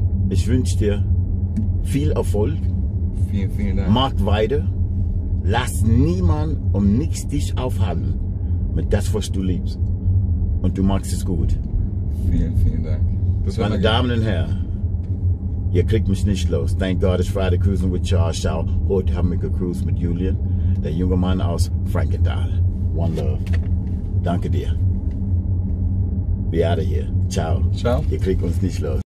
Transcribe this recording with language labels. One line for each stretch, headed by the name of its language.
German: Ich wünsche dir viel Erfolg. Vielen, vielen Dank. Mach weiter. Lass niemand und nichts dich aufhalten mit das, was du liebst. Und du magst es gut. Vielen, vielen Dank. Das meine Damen und Herren. Ihr kriegt mich nicht los.
English: Thank God it's Friday cruising with Charles Shaw.
German: Heute haben wir gecruised mit Julian, der junge Mann aus Frankenthal.
English: One love.
German: Danke dir.
English: We out of here. Ciao.
German: Ciao. Ihr kriegt uns nicht los.